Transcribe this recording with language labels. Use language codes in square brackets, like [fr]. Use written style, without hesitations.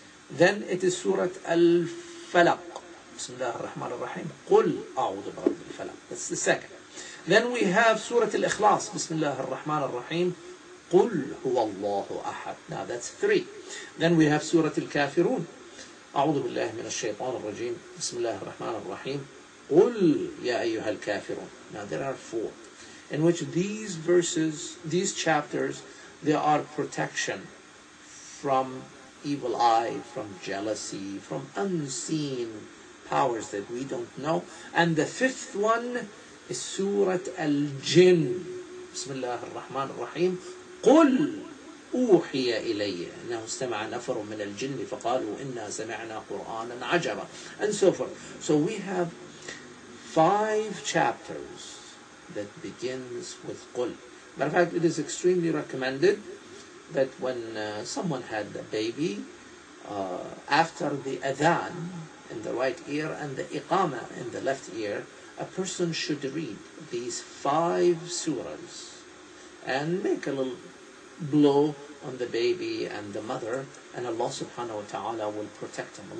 [en] Then it is Surah Al-Falaq. [ar] Bismillah ar-Rahman ar-Rahim. Qul a'udhu bi-Rabb al-Falaq. [en] That's the second. Then we have Surah Al-Ikhlas. Bismillah ar-Rahman ar-Rahim. [ar] Qul huwallahu ahad. [en] Now that's three. Then we have Surah Al-Kafirun. [ar] أعوذ بالله من الشيطان الرجيم بسم الله الرحمن الرحيم قل يا أيها الكافرون. [en] Now there are four in which these verses, these chapters, they are protection from evil eye, from jealousy, from unseen powers that we don't know. And the fifth one is Surah Al-Jinn. [ar] بسم الله الرحمن الرحيم قل أوحي إلي أنه استمع نفر من الجن فقالوا إنا سمعنا قرآنا عجبا. [en] And so forth. So we have five chapters that begins with قل. Matter of fact, it is extremely recommended that when someone had a baby, after the adhan in the right ear and the iqama in the left ear, a person should read these five surahs and make a little blow on the baby and the mother, and Allah subhanahu wa ta'ala will protect them.